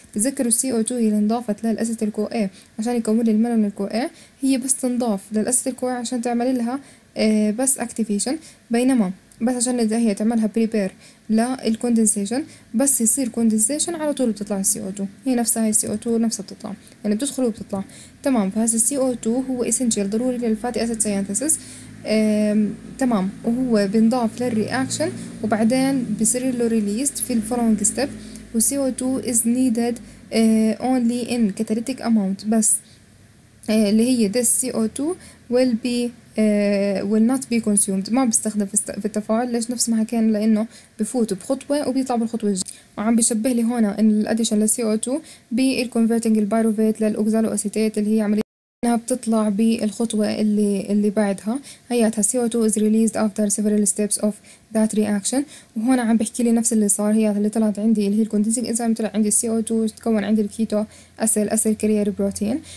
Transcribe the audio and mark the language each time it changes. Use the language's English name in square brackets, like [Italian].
[Arabic] تذكروا السي أو تو يلي انضافت للأسيت الكو اي عشان يكون للمانون الكو اي هي بس تنضاف للأسيت الكو اي عشان تعمل لها بس اكتيفيشن بينما بس عشان هي تعملها بريبير للكوندنسيشن بس يصير كوندنسيشن على طول بتطلع السي أو تو. هي نفسها هي السي أو تو نفسها بتطلع يعني بتدخل وبتطلع. تمام. فهذا السي أو تو هو اسنجيل ضروري للفاتي أسيت سينثيسيس تمام، وهو بنضاف للرياكشن وبعدين بصير له released في الفولوينج ستيب. [English] و CO2 is needed only in catalytic amount، [Arabic] بس اللي هي [English] this CO2 will be will not be consumed، [Arabic] ما بستخدم في التفاعل. ليش؟ نفس ما حكينا، لانه بفوت بخطوة وبيطلع بالخطوة الجاية. وعم بيشبه لي هنا ان الاديشن لل CO2 بالconverting البيروفيت للاوكسالو اسيتات، اللي هي عملية انها بتطلع بالخطوة اللي بعدها. [English] هياتها CO2 is released after several steps of that reaction. [Arabic] وهنا عم بحكي لي نفس اللي صار، هي اللي طلعت عندي اللي هي الكوندنسنج انزيم، طلع عندي CO2، تكون عندي الكيتو اسيل اسيل كارير بروتين.